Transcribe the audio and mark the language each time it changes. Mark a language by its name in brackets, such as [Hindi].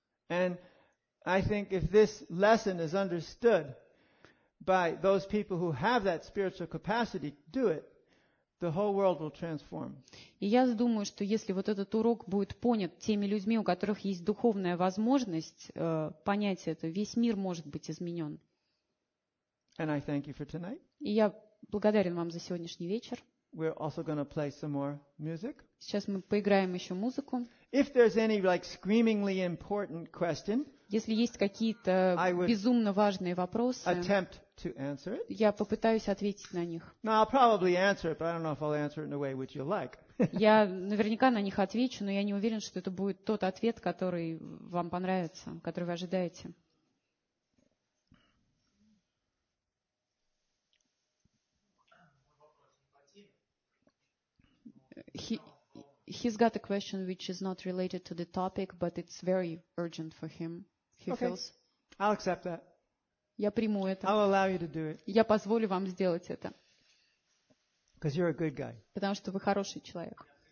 [Russian] И я думаю, что если эта лекция понята, [English] by those people who have that spiritual capacity to do it, the whole world will transform. [Russian] И я думаю, что если вот этот урок будет понят теми людьми, у которых есть духовная возможность понять это, весь мир может быть изменен. [English] And I thank you for tonight. [Russian] И я благодарен вам за сегодняшний вечер. [English] We're also going to play some more music. [Russian] Сейчас мы поиграем еще музыку. [English] If there's any like screamingly important question, [Russian] если есть какие-то безумно важные вопросы, [English] attempt to answer it. [Russian] Я попытаюсь ответить на них. [English] Now I'll probably answer it, but I don't know if I'll answer it in a way which you'll like. [Russian] Я наверняка на них отвечу, но я не уверен, что это будет тот ответ, который вам понравится, который вы ожидаете. [English] He's got a question which is not related to the topic, but it's very urgent for him. He okay. feels. I'll accept that. [Russian] Я приму это. [English] I'll allow you to do it. [Russian] Я позволю вам сделать это. [English] Because you're a good guy. [Russian] Потому что вы хороший человек.